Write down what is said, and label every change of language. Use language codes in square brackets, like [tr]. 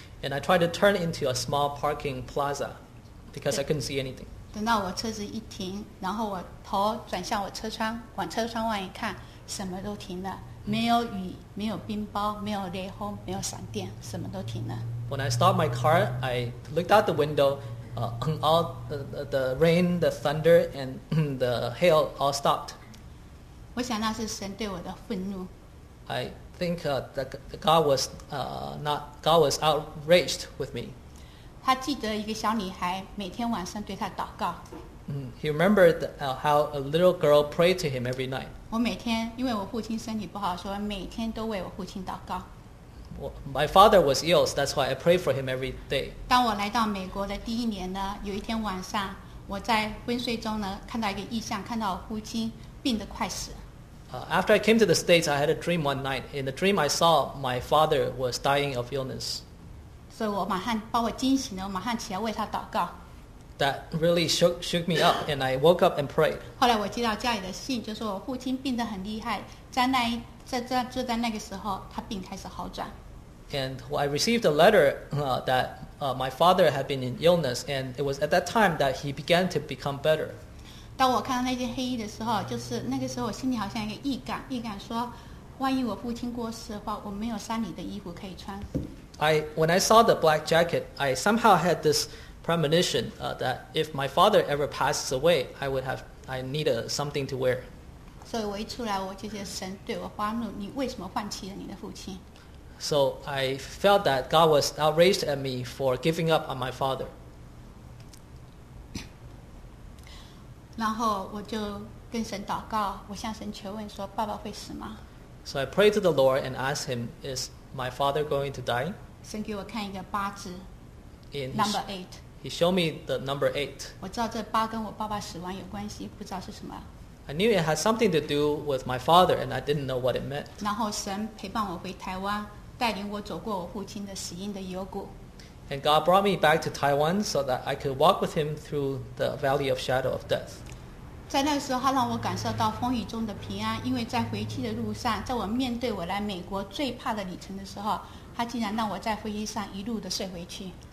[en] And I tried to turn into a small parking plaza because I couldn't see anything. [zh] 等到我车子一停，然后我头转向我车窗，往车窗外一看，什么都停了，没有雨，没有冰雹，没有雷轰，没有闪电，什么都停了。 [en] When I stopped my car, I looked out the window. All the rain, the thunder, and the hail all stopped. [zh] 我想那是神对我的愤怒。 [en] I think that God was outraged with me. [zh] 他记得一个小女孩每天晚上对他祷告。 [en] He remembered how a little girl prayed to him every night. [zh] 我每天因为我父亲身体不好，所以每天都为我父亲祷告。 [en] My father was ill, so that's why I prayed for him every day. [zh] 当我来到美国的第一年呢，有一天晚上，我在昏睡中呢，看到一个异象，看到我父亲病得快死。 [en] After I came to the States, I had a dream one night. In the dream, I saw my father was dying of illness. [zh] 所以我马上把我惊醒了，我马上起来为他祷告。 [en] That really shook me up, and I woke up and prayed. [zh] 后来我接到家里的信，就说我父亲病得很厉害，在那一就在那个时候，他病开始好转。 [en] And I received a letter that my father had been in illness, and it was at that time that he began to become better. [zh] 当我看到那件黑衣的时候，就是那个时候，我心里好像一个预感说，万一我父亲过世的话，我没有衫里的衣服可以穿。 [en] When I saw the black jacket, I somehow had this premonition that if my father ever passes away, I need something to wear. [zh] 所以我一出来，我就觉得神对我发怒，你为什么放弃了你的父亲？ [en] So I felt that God was outraged at me for giving up on my father. [zh] 然后我就跟神祷告，我向神求问说，爸爸会死吗？ [en] So I prayed to the Lord and asked him, is my father going to die? [zh] 神给我看一个八字 [en] number 8. He showed me the number 8. [zh] 我知道这八跟我爸爸死亡有关系，不知道是什么。 [en] I knew it had something to do with my father, and I didn't know what it meant. [zh] 然后神陪伴我回台湾，带领我走过我父亲的死荫的幽谷。 [en] And God brought me back to Taiwan so that I could walk with him through the valley of shadow of death. [zh] 在那个时候，他让我感受到风雨中的平安，因为在回去的路上，在我面对我来美国最怕的旅程的时候，他竟然让我在飞机上一路的睡回去。